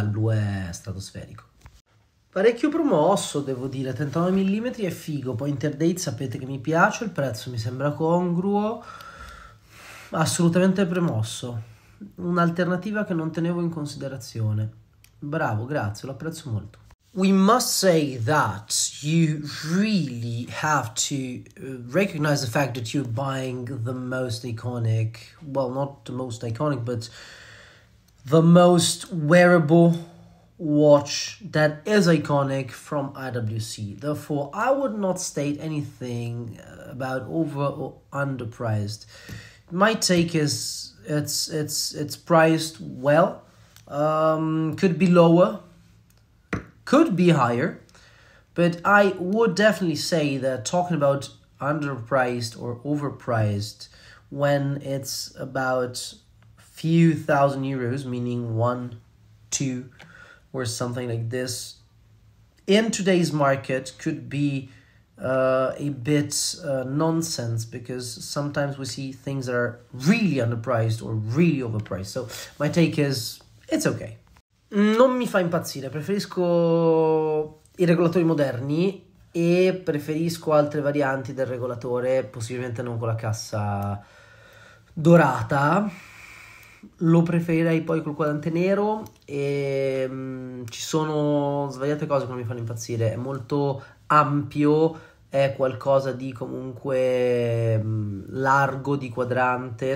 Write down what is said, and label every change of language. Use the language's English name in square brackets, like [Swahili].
[Italian] Il blu è stratosferico. Parecchio promosso, devo dire, 39 mm è figo, poi Interdate sapete che mi piace, il prezzo mi sembra congruo, assolutamente promosso. Un'alternativa che non tenevo in considerazione. Bravo, grazie, lo apprezzo molto. [English] We must say that you really have to recognize the fact that you're buying the most iconic, well, not the most iconic, but the most wearable watch that is iconic from IWC. Therefore, I would not state anything about over or underpriced. My take is it's priced well. Could be lower, could be higher, but I would definitely say that talking about underpriced or overpriced when it's about few thousand euros, meaning one, two, or something like this, in today's market could be a bit nonsense because sometimes we see things that are really underpriced or really overpriced. So my take is it's okay. [Italian] Non mi fa impazzire, preferisco i regolatori moderni e preferisco altre varianti del regolatore, possibilmente non con la cassa dorata. Lo preferirei poi col quadrante nero e ci sono svariate cose che non mi fanno impazzire. È molto ampio, è qualcosa di comunque largo di quadrante.